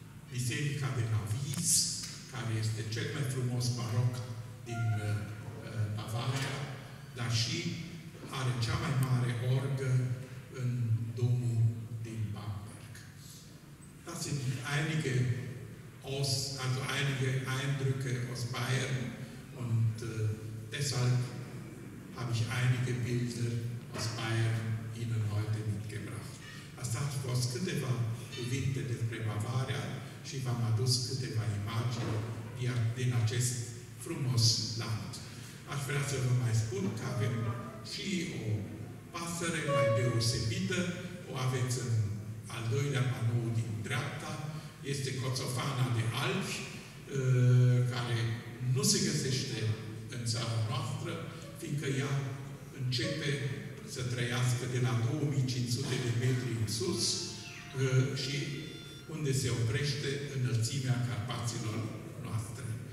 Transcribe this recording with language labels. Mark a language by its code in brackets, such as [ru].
[ro] Basilika de la Vies, care este cel mai frumos baroc din Bavaria, dar și are cea mai mare orgă în domul din Bamberg. [de] Das sind einige aus, also einige Eindrücke aus Bayern und deshalb habe ich einige Bilder aus Bayern Ihnen heute mitgebracht. [ro] Ați dat fost câteva cuvinte despre Bavaria și v-am adus câteva imagini din acest frumos land. Aș vrea să vă mai spun că avem și o pasăre mai deosebită, o aveți în al doilea panou din dreapta, este coțofana de alb, care nu se găsește în țara noastră, fiindcă ea începe să trăiască de la 2500 de metri în sus și unde se oprește înălțimea Carpaților noastre.